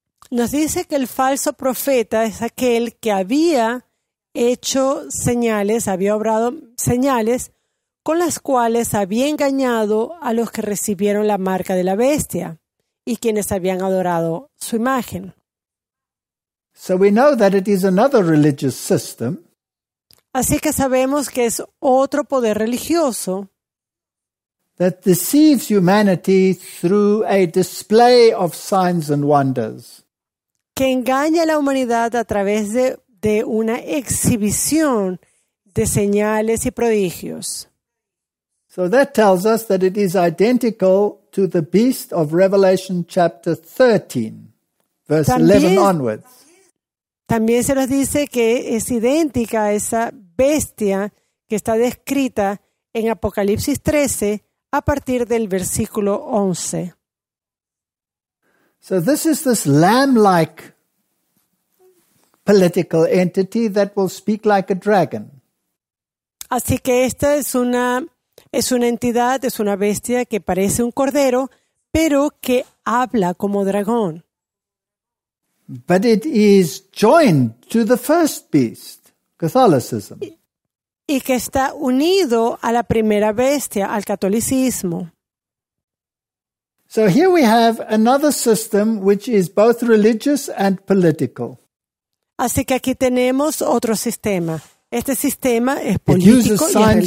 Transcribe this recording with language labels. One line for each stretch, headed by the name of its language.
Spanish: Nos dice que el falso profeta es aquel que había hecho señales, había obrado señales con las cuales había engañado a los que recibieron la marca de la bestia y quienes habían adorado su imagen.
English: So we know that it is another religious system.
Spanish: Así que sabemos que es otro poder religioso.
English: That deceives humanity through a display of signs and wonders.
Spanish: Que engaña a la humanidad a través de una exhibición de señales y prodigios.
English: So that tells us that it is identical to the beast of Revelation chapter 13, verse 11 onwards.
Spanish: También se nos dice que es idéntica a esa bestia que está descrita en Apocalipsis 13 a partir del versículo 11.
English: So this is this lamb-like political entity that will speak like a dragon.
Spanish: Así que esta es una entidad, es una bestia que parece un cordero, pero que habla como dragón.
English: But it is joined to the first beast, Catholicism.
Spanish: Y que está unido a la primera bestia, al catolicismo.
English: So here we have another system which is both religious and political.
Spanish: Así que aquí tenemos otro sistema. Este sistema es político y es religioso.